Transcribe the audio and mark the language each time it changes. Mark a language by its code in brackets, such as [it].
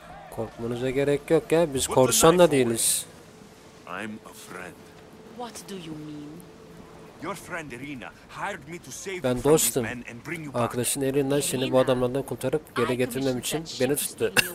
[tr] Korkmanıza gerek yok ya, biz korsan da değiliz. [en] I'm a friend. What do you mean? Your friend Irina hired me to save you. [tr] Ben dostum. Arkadaşın elinden seni bu adamlardan kurtarıp geri getirmem için beni tuttu.